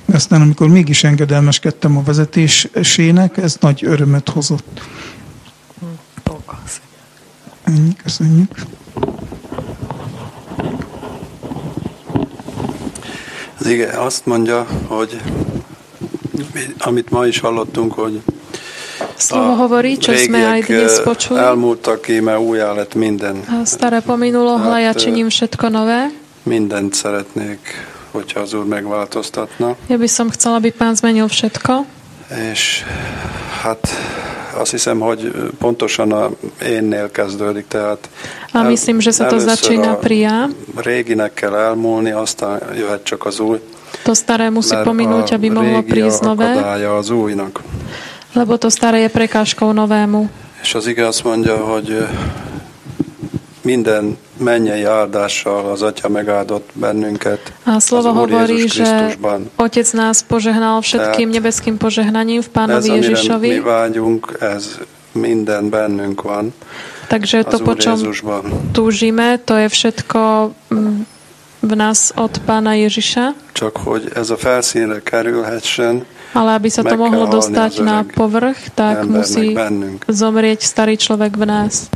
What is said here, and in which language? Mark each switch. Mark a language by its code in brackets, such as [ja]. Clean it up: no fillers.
[hu] Aztán, amikor mégis engedelmeskedtem a vezetésének, ez nagy örömet hozott. Ennyi, köszönjük. Az ige azt mondja, hogy amit ma is hallottunk, hogy [sk] slovo hovorí, čo sme aj dnes počuli. [hu] Elmúltak, íme újjá lett minden. [sk] A staré pominulo, hlajačením všetko nové. [hu] Mindent szeretnék, hogyha az Úr megváltoztatna. [sk] Ja by som chcel, aby Pán zmenil všetko. [hu] És hát azt hiszem, hogy pontosan a énnél kezdődik, tehát [sk] a myslím, že sa to začína prijá. [hu] Réginek kell elmúlni, aztán jöhet csak az új. [sk] To staré musí pominúť, aby mohlo prísť nové. [hu] Akadálya az újnak. [sk] Lebo to staré je prekážkou novému. [hu] És az ige azt mondja, hogy minden mennyei áldással az Atya megáldott bennünket. [sk] A slovo hovorí, že Otec nás požehnal všetkým nebeským požehnaním v Pánovi Ježišovi. [hu] Ez, amire mi vágyunk, ez minden bennünk van. [sk] Takže to, po čom túžime, to je všetko v nás od Pána Ježiša. [hu] Csak hogy ez a felszínre kerülhessen. [sk] Ale aby sa to mohlo dostať na povrch, tak musí zomrieť starý človek v nás.